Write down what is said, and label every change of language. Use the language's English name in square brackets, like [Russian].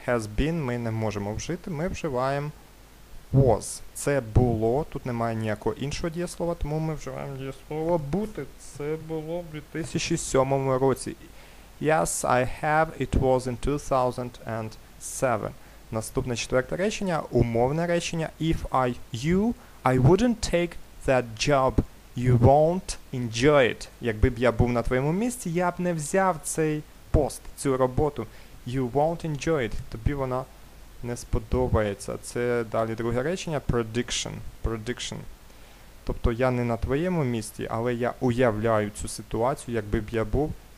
[English] Has been [Ukrainian] ми не можемо вжити, ми вживаємо was. Це було, тут немає ніякого іншого дієслова, тому ми вживаємо дієслово бути. Це було в 2007 році. [English] Yes, I have, it was in 2007. [Ukrainian] Наступне четверте речення, умовне речення. [English] If I you, I wouldn't take that job. You won't enjoy it. [Ukrainian] Якби б я був на твоєму місці, я б не взяв цей пост, цю роботу. [English] You won't enjoy it. [Ukrainian] Тобі вона не сподобається. Це далі друге речення, prediction. Prediction. Тобто я не на твоєму місці, але я уявляю цю ситуацію, якби б я був.